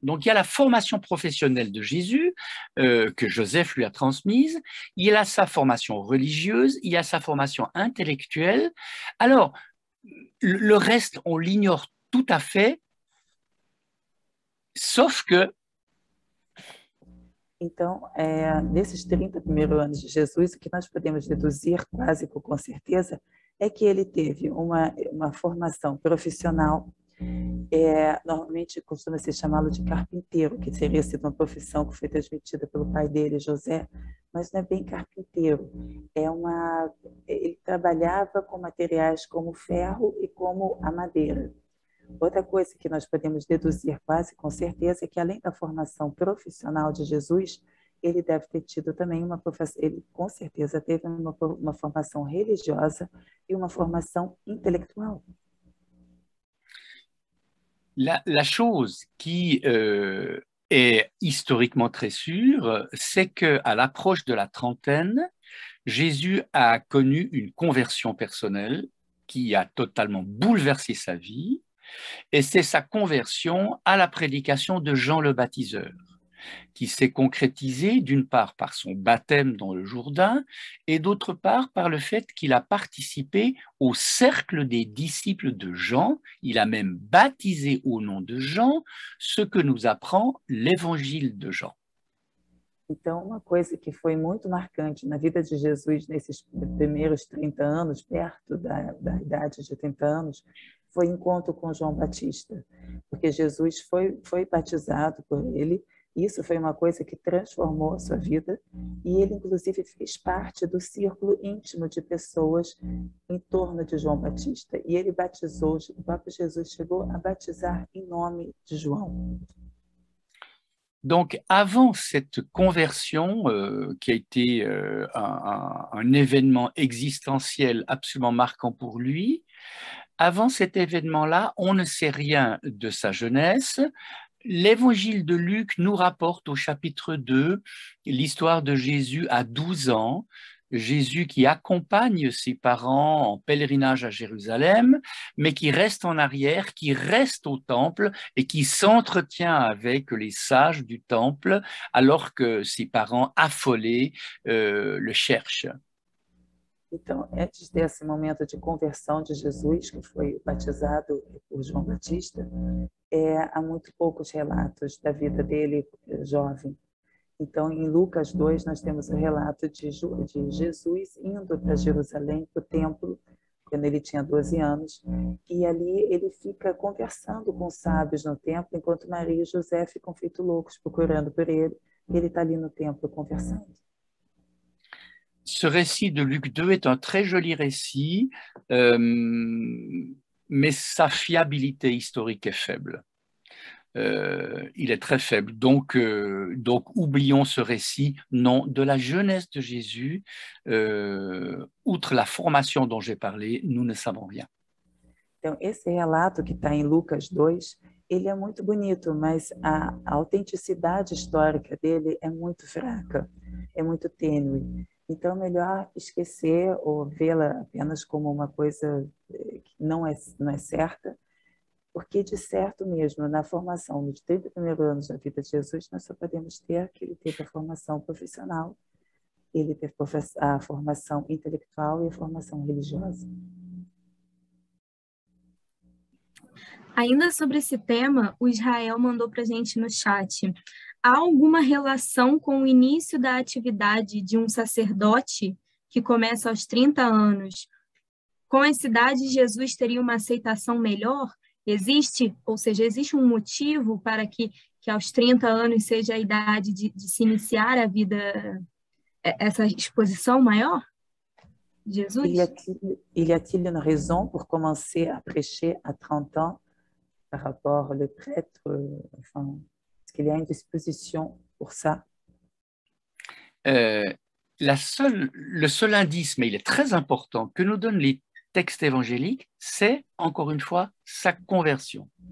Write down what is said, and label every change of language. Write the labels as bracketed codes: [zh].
[fr] Donc il y a la formation professionnelle de Jésus, que Joseph lui a transmise, il a sa formation religieuse, il a sa formation intellectuelle. Alors, le reste, on l'ignore tout à fait, sauf que, [pt] então, nesses 30 primeiros anos de Jesus, o que nós podemos deduzir quase com certeza é que ele teve uma formação profissional, normalmente costuma-se chamá-lo de carpinteiro, que seria sido uma profissão que foi transmitida pelo pai dele, José, mas não é bem carpinteiro, ele trabalhava com materiais como ferro e como a madeira. Outra coisa que nós podemos deduzir quase com certeza é que, além da formação profissional de Jesus, ele deve ter tido também uma profissão, ele com certeza teve uma formação religiosa e uma formação intelectual. [fr] La chose qui est historiquement très sûre, c'est que à l'approche de la trentaine, Jésus a connu une conversion personnelle qui a totalement bouleversé sa vie. Et c'est sa conversion à la prédication de Jean le Baptiseur, qui s'est concrétisée d'une part par son baptême dans le Jourdain, et d'autre part par le fait qu'il a participé au cercle des disciples de Jean, il a même baptisé au nom de Jean, ce que nous apprend l'évangile de Jean. Então, uma coisa que foi muito marcante na vida de Jesus nesses primeiros 30 anos, perto da idade de 30 anos, foi o encontro com João Batista, porque Jesus foi batizado por ele, e isso foi uma coisa que transformou a sua vida, e ele inclusive fez parte do círculo íntimo de pessoas em torno de João Batista, e ele batizou, o próprio Jesus chegou a batizar em nome de João. Donc, avant cette conversion, qui a été un événement existentiel absolument marquant pour lui, avant cet événement-là, on ne sait rien de sa jeunesse. L'évangile de Luc nous rapporte au chapitre 2 l'histoire de Jésus à 12 ans, Jésus qui accompagne ses parents en pèlerinage à Jérusalem, mais qui reste en arrière, qui reste au temple et qui s'entretient avec les sages du temple alors que ses parents affolés le cherchent. [pt] Então, antes desse momento de conversão de Jesus, que foi batizado por João Batista, há muito poucos relatos da vida dele jovem. Então, em Lucas 2, nós temos o relato de Jesus indo para Jerusalém, para o templo, quando ele tinha 12 anos, e ali ele fica conversando com os sábios no templo, enquanto Maria e José ficam feito loucos procurando por ele, e ele está ali no templo conversando. [fr] Ce récit de Luc 2 est un très joli récit, mais sa fiabilité historique est faible. Il est très faible. Donc, oublions ce récit. Non, de la jeunesse de Jésus, outre la formation dont j'ai parlé, nous ne savons rien. [pt] Então, esse relato que está em Lucas 2, ele é muito bonito, mas a autenticidade histórica dele é muito fraca, é muito tênue. Então, melhor esquecer ou vê-la apenas como uma coisa que não é certa, porque de certo mesmo, na formação, nos 30 primeiros anos da vida de Jesus, nós só podemos ter que ele teve a formação profissional, ele teve a formação intelectual e a formação religiosa. Ainda sobre esse tema, o Israel mandou para a gente no chat. Há alguma relação com o início da atividade de um sacerdote que começa aos 30 anos? Com essa idade, Jesus teria uma aceitação melhor? Existe? Ou seja, existe um motivo para que aos 30 anos seja a idade de se iniciar a vida, essa exposição maior? Jesus? [fr] Il y a-t-il une raison pour commencer à prêcher à 30 ans par rapport au prêtre, enfin, est-ce qu'il y a une disposition pour ça? Le seul indice, mais il est très important, que nous donnent les textes évangéliques, c'est encore une fois sa conversion.